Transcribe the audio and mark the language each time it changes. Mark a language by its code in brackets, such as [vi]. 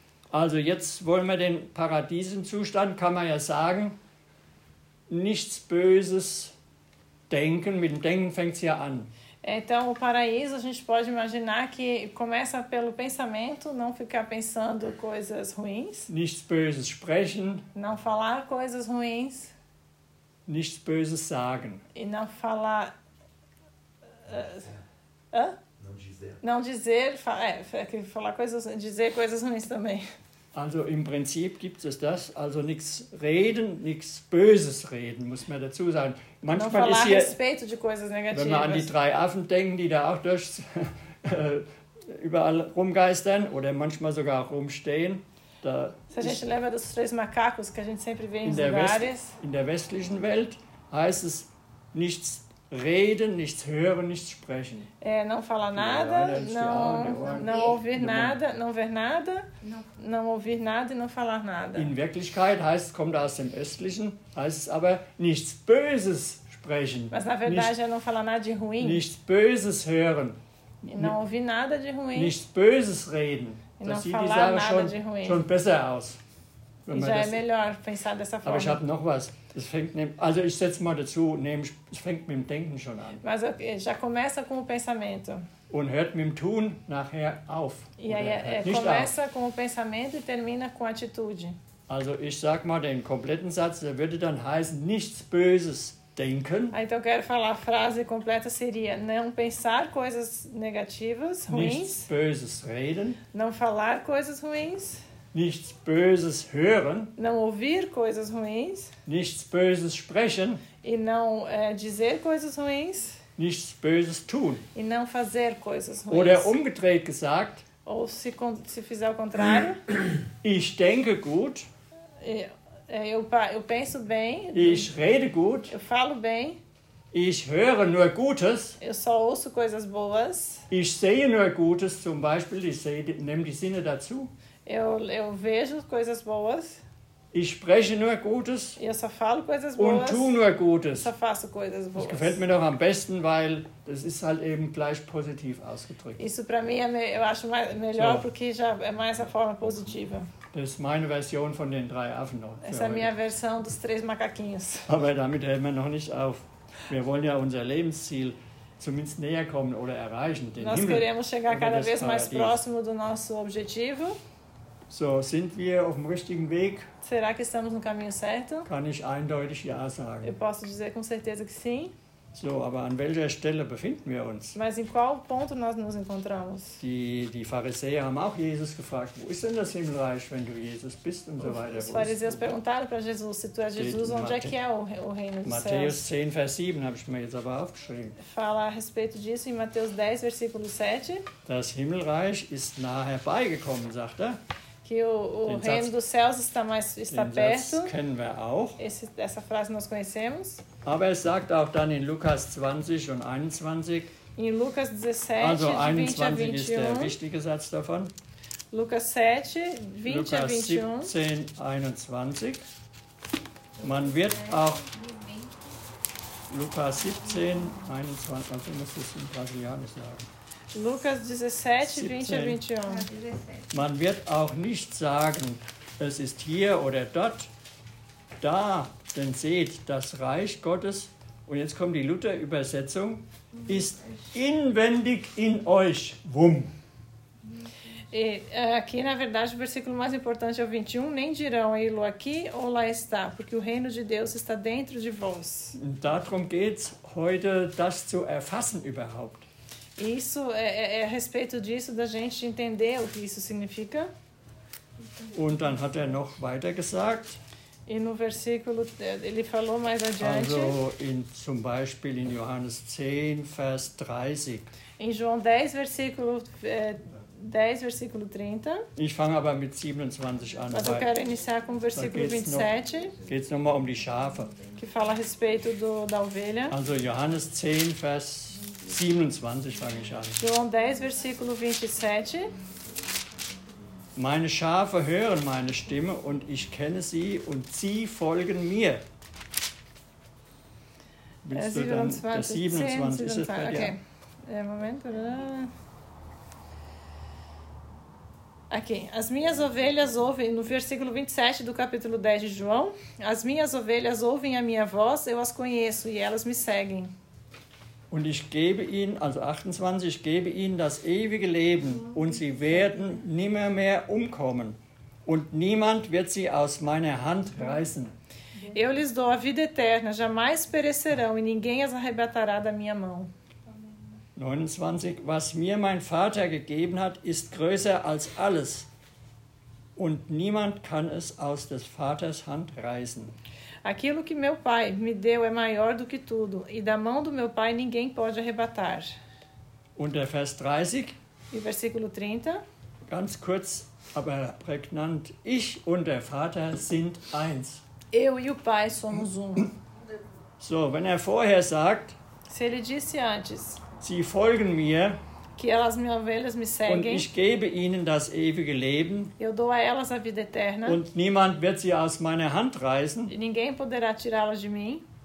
[de] Also jetzt wollen wir den Paradiesenzustand, kann man ja sagen, nichts Böses denken. Mit dem Denken fängt es ja an. [pt] Então, o paraíso, a gente pode imaginar que começa pelo pensamento, não ficar pensando coisas ruins. [de] Nichts Böses sprechen. [pt] Não falar coisas ruins. [de] Nichts Böses sagen. [pt] E não falar... Não dizer. Não dizer, falar coisas, dizer coisas ruins também. [de] Also, im Prinzip gibt es das. Also, nichts reden, nichts Böses reden, muss man dazu sagen. Manchmal ist hier, [pt] respeito de coisas negativas. [de] Wenn man an die drei Affen denken, die da auch durchs, überall rumgeistern oder manchmal sogar rumstehen. Da [pt] se a gente lembra dos três macacos, que a gente sempre vê [de] in den [pt] lugares. [de] In der westlichen Welt heißt es nichts reden, nichts hören, nichts sprechen. [pt] Não falar nada, não ouvir nada, não ver nada, não ouvir nada e não falar nada. [de] In Wirklichkeit heißt, kommt aus dem Östlichen, heißt es aber nichts Böses sprechen. [pt] Mas na verdade [de] nicht, [pt] não falar nada de ruim. [de] Nichts Böses hören. [pt] Não ouvir nada de ruim. [de] Nichts Böses reden. [pt] E [de] das sieht die Sache schon besser aus. [pt] Já das... é melhor pensar dessa forma. [de] Aber ich habe noch was. Es fängt also ich setze mal dazu, es fängt mit dem Denken schon an. [pt] Mas okay, já começa com o pensamento. [de] Und hört mit dem Tun nachher auf. [pt] Começa com o pensamento e termina com a atitude. [de] Also ich sag mal den kompletten Satz, der würde dann heißen, nichts Böses denken. [pt] Ah, então quero falar a frase completa seria, não pensar coisas negativas, ruins. [de] Nichts Böses reden. [pt] Não falar coisas ruins. [de] Nichts Böses hören. [pt] Não ouvir coisas ruins. [de] Nichts Böses sprechen. [pt] E não dizer coisas ruins. [de] Nichts Böses tun. [pt] E não fazer coisas ruins. [de] Oder umgedreht gesagt. [pt] Ou se fizer o contrário. [de] Ich denke gut. [pt] Eu penso bem. [de] Ich rede gut. [pt] Eu falo bem. [de] Ich höre nur Gutes. [pt] Eu só ouço coisas boas. [de] Ich sehe nur Gutes, zum Beispiel. Ich sehe, nehme die Sinne dazu. [pt] Eu vejo coisas boas. [de] Ich spreche nur Gutes. [pt] Eu só falo coisas boas. [de] Und tue nur Gutes. [pt] Só faço coisas boas. [de] Das gefällt mir noch am besten, weil das ist halt eben gleich positiv ausgedrückt. [pt] Isso para mim eu acho mais, melhor, so. Porque já é mais a forma positiva. [de] Das ist meine Version von den drei Affen noch. [pt] Essa é minha versão dos três macaquinhos. [de] Aber damit hören wir noch nicht auf. Wir wollen ja unser Lebensziel zumindest näher kommen oder erreichen, den Himmel. [pt] Nós queremos chegar cada vez mais próximo do nosso objetivo. [de] So, sind wir auf dem richtigen Weg? [pt] Será que estamos no caminho certo? [de] Kann ich eindeutig ja sagen. [pt] Eu posso dizer com certeza que sim. [de] So, aber an welcher Stelle befinden wir uns? [pt] Mas em qual ponto nós nos encontramos? [de] Die Pharisäer haben auch Jesus gefragt, wo ist denn das Himmelreich, wenn du Jesus bist und so weiter. [pt] Os fariseus perguntaram para Jesus, se tu és Jesus, onde é que é o reino dos céus? [de] Mateus 10, Vers 7 habe ich mir jetzt aber aufgeschrieben. [pt] Fala a respeito disso em Mateus 10, Versículo 7. [de] Das Himmelreich ist nahe herbeigekommen, sagt er. [pt] Que o reino dos céus está perto. [de] Den Satz kennen wir auch. [pt] Essa frase nós conhecemos. [de] Aber es sagt auch dann in Lukas 20 und 21. [pt] Em Lucas 17, [de] also 21 [pt] de 20 a 21. [de] Ist der wichtige Satz davon. [pt] Lucas 7, 20 [de] Lukas [pt] a 21. [de] 17, 21. Man wird auch... Lukas 17, 21. Also muss ich es in Brasilianisch sagen. [pt] Lucas 17, 20 a 21. [de] Man wird auch nicht sagen, es ist hier oder dort, da, denn seht, das Reich Gottes, und jetzt kommt die Luther-Übersetzung, ist inwendig in euch. Wum. [pt] Aqui, na verdade, o versículo mais importante é o 21, nem dirão, ei-lo aqui ou lá está, porque o reino de Deus está dentro de vós. [de] Darum geht's heute, das zu erfassen überhaupt. [pt] Isso é a respeito disso, da gente entender o que isso significa. [de] Und dann hat noch weiter gesagt. [pt] E no versículo, ele falou mais adiante. [de] Also, zum Beispiel in Johannes 10, Vers 30. [pt] Em João 10, versículo 10, versículo 30. [de] Ich fange aber mit 27 an. [pt] Mas eu quero iniciar com o versículo 27. [de] Geht's nochmal um die Schafe. [pt] Que fala a respeito da ovelha. [de] Also, Johannes 10, Vers 27 fange ich an. [pt] João 10, versículo 27. [de] Meine Schafe hören meine Stimme und ich kenne sie und sie folgen mir. Willst du dann das 27? Ist es bei dir? Okay. [pt] É momento. Aqui, as minhas ovelhas ouvem, no versículo 27 do capítulo 10 de João, as minhas ovelhas ouvem a minha voz, eu as conheço e elas me seguem. [de] Und ich gebe ihnen, also 28, ich gebe ihnen das ewige Leben und sie werden nimmermehr umkommen und niemand wird sie aus meiner Hand reißen. [pt] Eu lhes dou a vida eterna, jamais perecerão e ninguém as arrebatará da minha mão. [de] 29, was mir mein Vater gegeben hat, ist größer als alles und niemand kann es aus des Vaters Hand reißen. [pt] Aquilo que meu pai me deu é maior do que tudo e da mão do meu pai ninguém pode arrebatar. [de] Und der Vers 30, [pt] e versículo 30, [de] ganz kurz, aber prägnant, ich und der Vater sind eins. [pt] Eu e o pai somos um. [de] So, wenn er vorher sagt, [pt] se ele disse antes, [de] sie folgen mir, [pt] que elas minhas ovelhas me seguem, [de] und ich gebe ihnen das ewige Leben, [pt] eu dou a elas a vida eterna, [de] und niemand wird sie aus meiner Hand reißen, [pt] e ninguém poderá tirá-las de mim,